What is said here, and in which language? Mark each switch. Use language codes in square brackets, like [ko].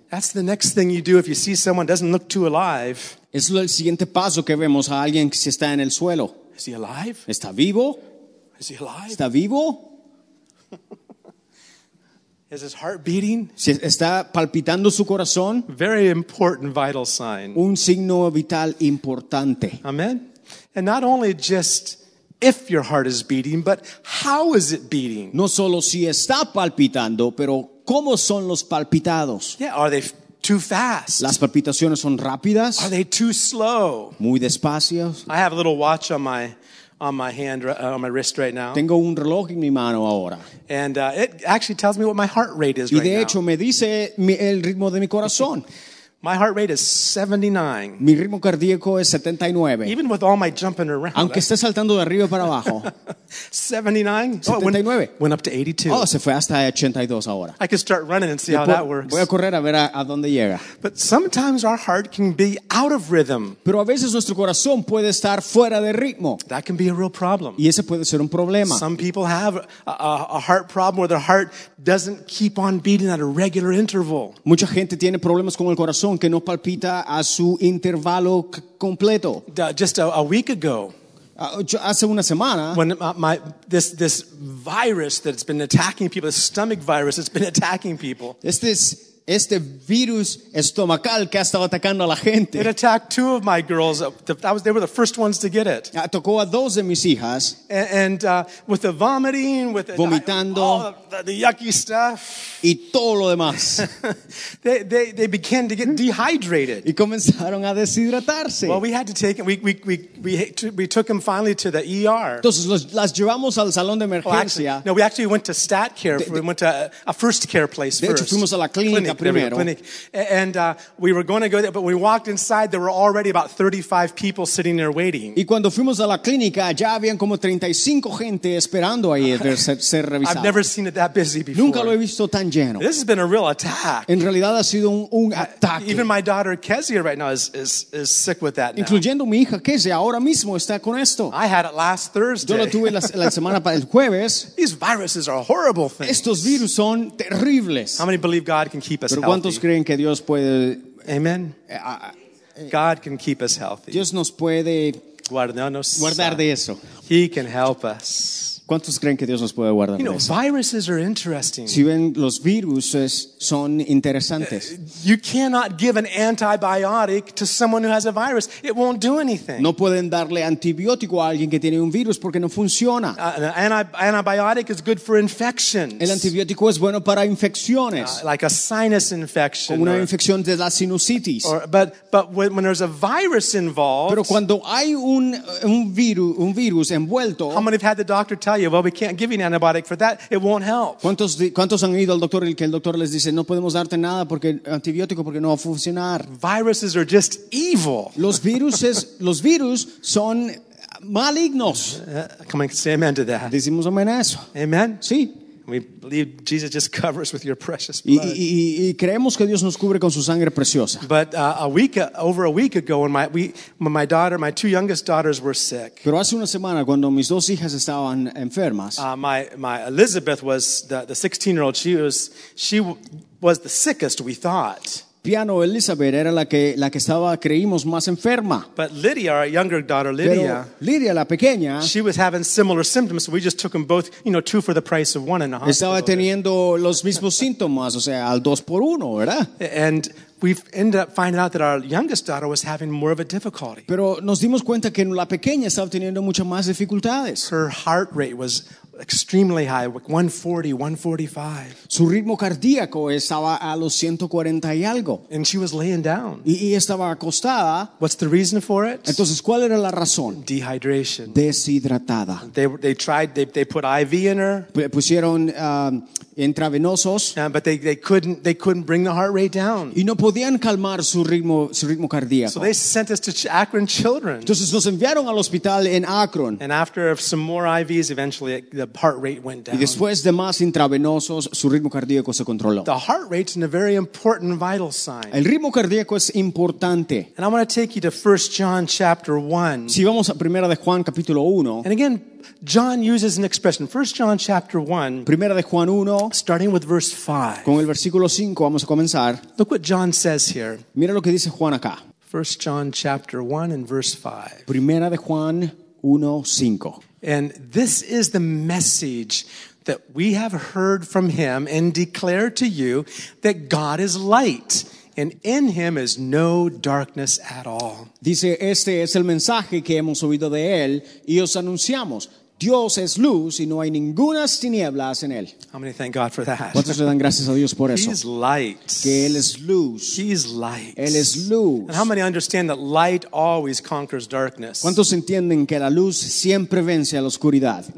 [en] That's the next thing you do if you see someone doesn't look too alive. [es] Es el siguiente paso que vemos a alguien que si está en el suelo. [en] Is he alive? [es] ¿Está vivo? [en] Is he alive? [es] ¿Está vivo? [en] Is his heart beating? [es] Si está palpitando su corazón. [en] Very important vital sign. [es] Un signo vital importante. [en] Amen. And not only just if your heart is beating, but how is it beating? [es] No solo si está palpitando, pero ¿cómo son los palpitados? [en] Yeah, are they too fast? [es] Las palpitaciones son rápidas. [en] Are they too slow? [es] Muy despacio. [en] I have a little watch on my hand, on my wrist right now. [es] Tengo un reloj en mi mano ahora. [en] And it actually tells me what my heart rate is right now. [es] Y de hecho me dice el ritmo de mi corazón. [en] My heart rate is 79. [es] Mi ritmo cardíaco es 79. [en] Even with all my jumping around. [es] Aunque esté saltando de arriba para abajo. [en] 79. [es] 79. [en] Oh, went up to 82. [es] Oh, se fue hasta 82 ahora. [en] I could start running and see how that works. [es] Voy a correr a ver a dónde llega. [en] But sometimes our heart can be out of rhythm. [es] Pero a veces nuestro corazón puede estar fuera de ritmo. [en] That can be a real problem. [es] Y ese puede ser un problema. [en] Some people have a heart problem where their heart doesn't keep on beating at a regular interval. [es] Mucha gente tiene problemas con el corazón que no palpita a su intervalo completo. [en] Just a week ago, [es] hace una semana, [en] when this virus that's been attacking people, this stomach virus that's been attacking people, [es] este virus estomacal que ha estado atacando a la gente, [en] it attacked two of my girls. They were the first ones to get it. [es] Atacó a dos de mis hijas, [en] and with the vomiting, with [es] vomitando, [en] all the yucky stuff, [es] y todo lo demás, [en] they began to get dehydrated. [es] Y comenzaron a deshidratarse. [en] Well, we had to take them. We took them finally to the ER. [es] Entonces las llevamos al salón de emergencia. Oh, [en] actually, no, we actually went to stat care. We went to a first care place [es] first. De hecho, fuimos a la clínica. [en] And we were going to go there, but we walked inside. There were already about 35 people sitting there waiting. [es] Y cuando fuimos a la clínica, ya habían como 35 gente esperando ahí de ser revisado. [en] I've never seen it that busy before. [es] Nunca lo he visto tan lleno. [en] This has been a real attack. [es] En realidad ha sido un ataque. [en] Even my daughter Kezia right now is sick with that. [es] Incluyendo mi hija Kezia ahora mismo está con esto. [en] I had it last Thursday. [es] Yo lo tuve la semana para el jueves. [en] These viruses are horrible things. [es] Estos virus son terribles. [en] How many believe God can keep us [es] pero ¿cuántos [en] healthy? [es] Creen que Dios puede? [en] Amen. God can keep us healthy. [es] Dios nos puede guardar de eso. [en] He can help us. [es] ¿Cuántos creen que Dios nos puede guardar [en] you know, [es] de eso? [en] Viruses are interesting. [es] Si ven, los virus son interesantes. [en] You cannot give an antibiotic to someone who has a virus. It won't do anything. [es] No pueden darle antibiótico a alguien que tiene un virus porque no funciona. [en] Antibiotic is good for infections. [es] El antibiótico es bueno para infecciones. [en] Like a sinus infection. [es] Como una infección de la sinusitis. [en] But when there's a virus involved. [es] Pero cuando hay un virus envuelto. [en] How many have had the doctor tell you, well, we can't give you an antibiotic for that. It won't help. [es] ¿Cuántos han ido al doctor y que el doctor les dice, no podemos darte nada porque antibiótico porque no va a funcionar? [en] Viruses are just evil. [es] Los virus son malignos. [en] Come on, say amen to that. Decimos amén a eso. Amen? [es] Sí. [en] We believe Jesus just covers with your precious blood. [es] Y creemos que Dios nos cubre con su sangre preciosa. [en] But over a week ago, when my daughter, my two youngest daughters were sick. [es] Pero hace una semana cuando mis dos hijas estaban enfermas. [en] My Elizabeth was the 16-year-old. She was the sickest, we thought. [es] Piano Elizabeth era la que estaba creímos más enferma. [en] But Lydia, our younger daughter Lydia, [es] pero Lydia la pequeña, [en] she was having similar symptoms, so we just took them both, you know, two for the price of one in the hospital. [es] Estaba teniendo los mismos síntomas, o sea, al dos por uno, ¿verdad? [en] And we ended up finding out that our youngest daughter was having more of a difficulty. [es] Pero nos dimos cuenta que la pequeña estaba teniendo mucho más dificultades. [en] Her heart rate was extremely high, like 140, 145. [es] Su ritmo cardíaco estaba a los 140 y algo. [en] And she was laying down. [es] Y estaba acostada. [en] What's the reason for it? [es] Entonces, ¿cuál era la razón? [en] Dehydration. [es] Deshidratada. [en] They put IV in her. [es] Pusieron intravenosos. [en] But they couldn't bring the heart rate down. [es] Y no podían calmar su ritmo cardíaco. [en] So they sent us to Akron Children. [es] Entonces nos enviaron al hospital en Akron. [en] And after some more IVs, eventually the heart rate went down. [es] Y después de más intravenosos, su ritmo cardíaco se controló. [en] The heart rate is a very important vital sign. [es] El ritmo cardíaco es importante. [en] And I want to take you to 1 John chapter 1. [es] Si vamos a Primera de Juan capítulo 1. [en] And again, John uses an expression. 1 John chapter 1. [es] Primera de Juan 1. [en] Starting with verse 5. [es] Con el versículo 5 vamos a comenzar. [en] Look what John says here. [es] Mira lo que dice Juan acá. [en] 1 John chapter 1 and verse 5. [es] Primera de Juan 1, 5. [en] And this is the message that we have heard from him and declare to you that God is light. And in him is no darkness at all. [es] Dice, este es el mensaje que hemos oído de él y os anunciamos. Dios es luz y no hay ninguna tinieblas en él. [en] How many thank God for that? [es] ¿Cuántos le dan gracias a Dios por eso? [en] He's light. [es] Que él es luz. [en] He's light. [es] Él es luz. [en] And how many understand that light always conquers darkness? [es] ¿Cuántos entienden que la luz siempre vence a la oscuridad?